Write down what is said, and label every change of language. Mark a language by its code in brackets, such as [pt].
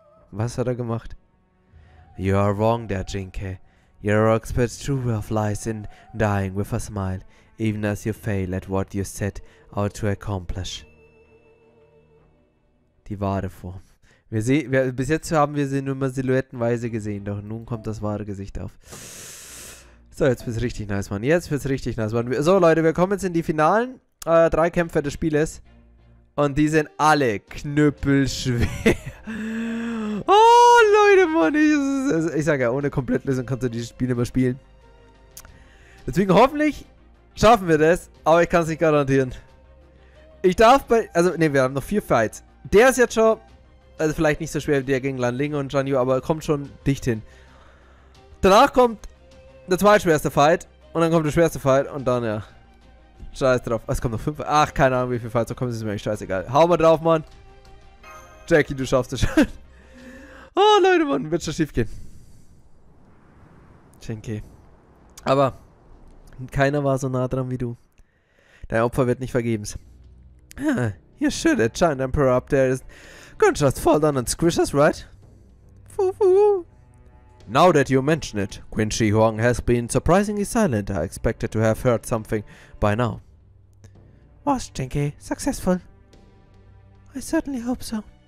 [de] Was hat er gemacht? [en] You are wrong there, Jinke. Your heroic spirit's true worth lies in dying with a smile, even as you fail at what you set out to accomplish. [de] Die wahre Form. Bis jetzt haben wir sie nur mal silhouettenweise gesehen, doch nun kommt das wahre Gesicht auf. So, jetzt wird's richtig nice, Mann. Jetzt wird's richtig nice, Mann. So, Leute, wir kommen jetzt in die Finalen. Drei Kämpfer des Spieles. Und die sind alle knüppelschwer. Oh, Leute, Mann. Ich sag ja, ohne Komplettlösung kannst du dieses Spiel immer spielen. Deswegen hoffentlich schaffen wir das. Aber ich kann es nicht garantieren. Ich darf bei... Also, ne, wir haben noch vier Fights. Der ist jetzt schon... Also, vielleicht nicht so schwer wie der gegen Lan Ling und Zhang Yu, aber kommt schon dicht hin. Danach kommt der zweitschwerste Fight. Und dann kommt der schwerste Fight. Und dann, ja... Scheiß drauf. Es kommen noch fünf. Ach, keine Ahnung, wie viel Fights. So kommen sie mir echt scheißegal. Hau mal drauf, Mann. Jackie, du schaffst es schon. Oh, Leute, Mann. Wird schon schief gehen. Jinke. Aber keiner war so nah dran wie du. Dein Opfer wird nicht vergebens. [en] Ah, you should. The giant emperor up there is going to just fall down and squish us, right? Fufu. Now that you mention it, Qin Shi Huang has been surprisingly silent. I expected to have heard something by now. Was, Jinke? Successful? I certainly hope so.